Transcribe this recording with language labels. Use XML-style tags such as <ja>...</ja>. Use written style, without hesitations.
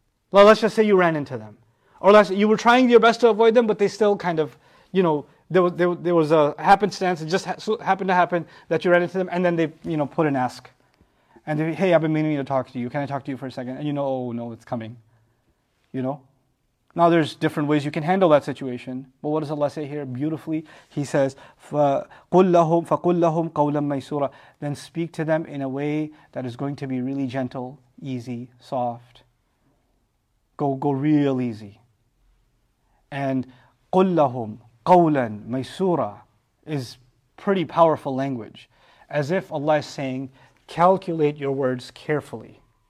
<en>Well, let's just say you ran into them. Or less, you were trying your best to avoid them, but they still kind of, you know, there was a happenstance, it just happened to happen that you ran into them, and then they, you know, put an ask. And they, hey, I've been meaning to talk to you, can I talk to you for a second? And you know, oh no, it's coming. You know? Now there's different ways you can handle that situation. But what does Allah say here beautifully? He says,</en> <ar>فَقُلَّهُمْ قَوْلًا مَيْسُورًا.</ar> <en>Then speak to them in a way that is going to be really gentle, easy, soft. Go real easy. And</en> <ar>قُلْ لَهُمْ قَوْلًا مَيْسُورًا</ar> <en>is pretty powerful language. As if Allah is saying, calculate your words carefully.</en>